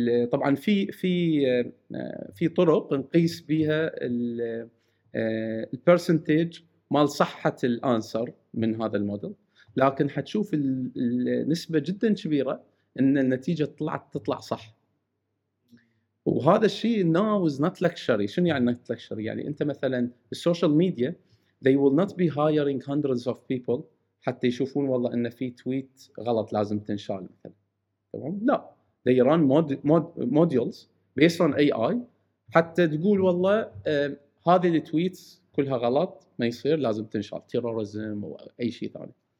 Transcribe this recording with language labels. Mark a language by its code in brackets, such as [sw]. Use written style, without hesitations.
[ar] طبعا في في في طرق نقيس بها البرسنتج مال صحه الانسر من هذا الموديل، لكن حتشوف النسبه جدا كبيره ان النتيجه تطلع صح. وهذا الشيء [en] now is not luxury. [ar] شنو يعني [en] not luxury؟ [ar] يعني انت مثلا السوشيال ميديا [en] they will not be hiring hundreds of people [ar] حتى يشوفون والله ان في تويت غلط لازم تنشال مثلا، تمام؟ لا، [en] they run modules based on AI [ar] حتى تقول والله هذه التويت كلها غلط ما يصير لازم تنشال تيرورزم او اي شيء ثاني.